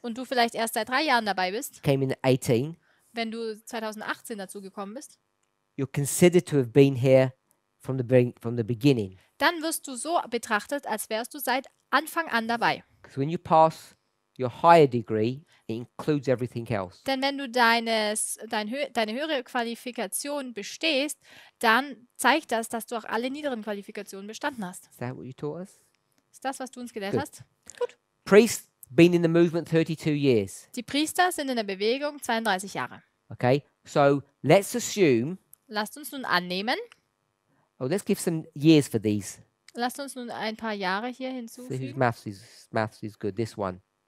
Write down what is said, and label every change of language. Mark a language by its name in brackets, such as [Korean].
[German] Und du vielleicht erst seit 3 Jahren dabei bist. [English] Came in 18. [German] Wenn du 2018 dazu gekommen bist. [English] You're considered to have been here from the beginning. [German] Dann wirst du so betrachtet, als wärst du seit Anfang an dabei. [English] Because when you pass your higher degree, it includes everything else. [German] Denn wenn du deine höhere Qualifikation bestehst, dann zeigt das, dass du auch alle niederen Qualifikationen bestanden hast. [English] Is that what you taught us? [German] Ist das, was du uns gelehrt hast? Gut. [English] Priests been in the movement 32 years. [German] Die Priester sind in der Bewegung 32 Jahre. [English] Okay, so let's assume. [German] Lasst uns nun annehmen. [English] Oh, let's give some years for these. [German] Lasst uns nun ein paar Jahre hier hinzufügen. [English] So maths is good, this one.